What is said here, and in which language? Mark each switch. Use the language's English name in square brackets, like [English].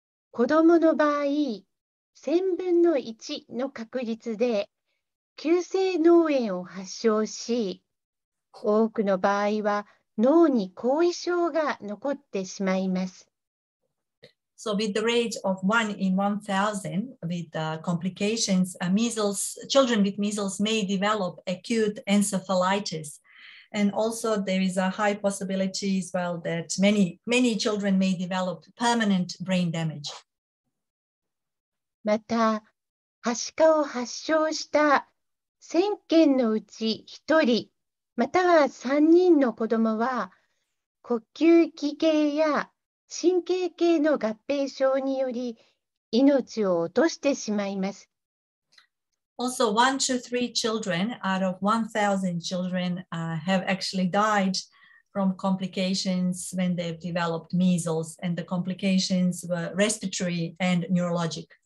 [Japanese] 子どもの場合、1000分の1の確率で急性脳炎を発症し、多くの場合は脳に後遺症が残ってしまいます。 [English] So with the rate of 1 in 1,000 with the complications, measles, children with measles may develop acute encephalitis. And also there is a high possibility as well that many, many children may develop permanent brain damage. [Japanese] また、はしかを発症した1000件のうち1人、または3人の子どもは、呼吸器系や神経系の合併症により命を落としてしまいます。 [English] Also, 1 to 3 children out of 1,000 children have actually died from complications when they've developed measles, and the complications were respiratory and neurologic.